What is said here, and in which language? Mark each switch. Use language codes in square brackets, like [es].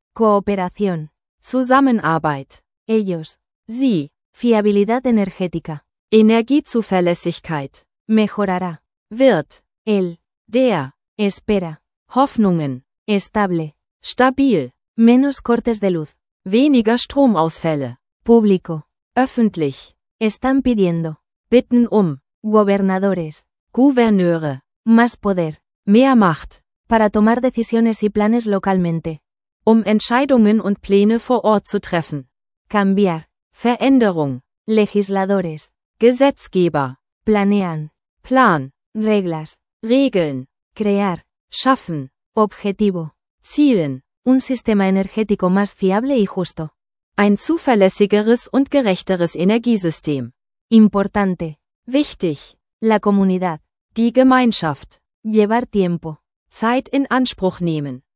[es] Kooperación. [de] Zusammenarbeit. [es] Ellos. [de] Sie. [es] Fiabilidad energética. [de] Energiezuverlässigkeit. [es] Mejorará. [de] Wird. [es] El. [de] Der. [es] Espera. [de] Hoffnungen. [es] Estable. [de] Stabil. [es] Menos cortes de luz. [de] Weniger Stromausfälle. [es] Público. [de] Öffentlich. [es] Están pidiendo. [de] Bitten um. [es] Gobernadores. [de] Gouverneure. [es] Más poder. [de] Mehr Macht. [es] Para tomar decisiones y planes localmente. [de] Um Entscheidungen und Pläne vor Ort zu treffen. [es] Cambiar. [de] Veränderung. [es] Legisladores. [de] Gesetzgeber. [es] Planean. [de] Plan. [es] Reglas. [de] Regeln. [es] Crear. [de] Schaffen. [es] Objetivo. [de] Zielen. [es] Un sistema energético más fiable y justo. [de] Ein zuverlässigeres und gerechteres Energiesystem. [es] Importante. [de] Wichtig. [es] La comunidad. [de] Die Gemeinschaft. [es] Llevar tiempo. [de] Zeit in Anspruch nehmen.